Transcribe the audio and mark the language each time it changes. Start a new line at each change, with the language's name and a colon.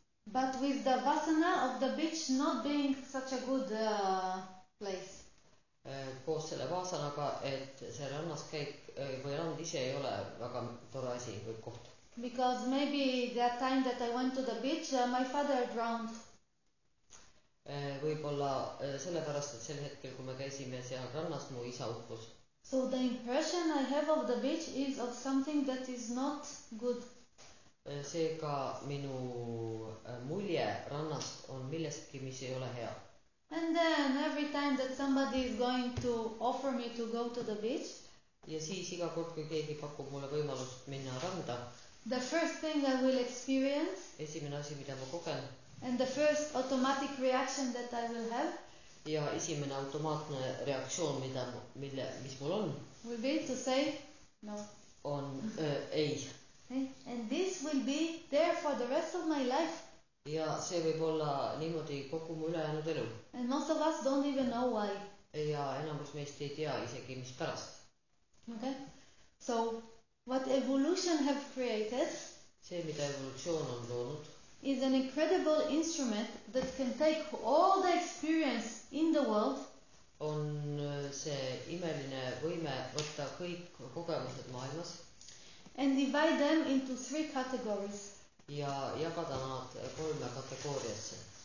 English: But with the vasana of the beach not being such a good place.
Estonian: Koos selle vaasanaga, et see rannas käik või rand ise ei ole väga tore asi või koht.
English: Because maybe that time that I went to the beach, my father drowned.
Estonian: Võib-olla sellepärast, et sel hetkel, kui me käisime seal rannas, mu isa uppus.
English: So the impression I have of the beach is of something that is not good.
Estonian: Seega minu mulje rannast on millestki, mis ei ole hea.
English: And then every time that somebody is going to offer me to go to the beach.
Estonian: Ja siis iga kord, kui keegi pakub mulle võimalust minna randa.
English: The first thing I will experience.
Estonian: Esimene asi, mida ma kogen.
English: And the first automatic reaction that I will have.
Estonian: Ja esimene automaatne reaktsioon, mida, mille, mis mul on.
English: Will be to say no.
Estonian: On ei.
English: And this will be there for the rest of my life.
Estonian: Ja see võib olla niimoodi kogu mu ülejäänud elu.
English: And most of us don't even know why.
Estonian: Ja enamus meist ei tea isegi, mis pärast.
English: Okay. So, what evolution have created.
Estonian: See, mida evolutsioon on loonud.
English: Is an incredible instrument that can take all the experience in the world.
Estonian: On see imeline võime võtta kõik kogemused maailmas.
English: And divide them into three categories.
Estonian: Ja jagada nad kolme kategooriasse.